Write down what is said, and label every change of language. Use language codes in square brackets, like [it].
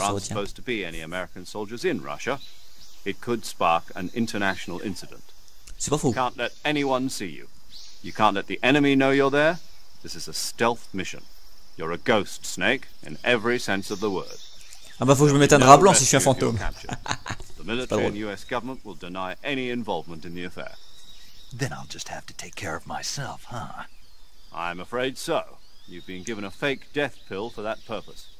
[en] There aren't supposed to be any American soldiers in Russia. It could spark an international incident. [fr] C'est pas faux. [en] You can't let anyone see you. You can't let the enemy know you're there. This is a stealth mission. You're a ghost, Snake, in every sense of the word. [fr] Ah bah faut que je me mette un drap blanc si je suis un fantôme. [en] The military and US government will deny any involvement in the affair. Then I'll just have to take care of myself, huh? I'm afraid so. You've been given a fake death pill for that purpose.